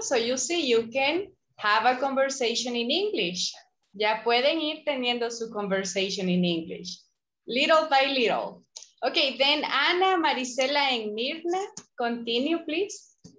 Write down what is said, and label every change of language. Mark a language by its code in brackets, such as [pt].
[en] So you see, you can have a conversation in English. [es] Ya pueden ir teniendo su [en] conversation in English. Little by little. Okay, then Ana, Marisela, and Mirna, continue, please.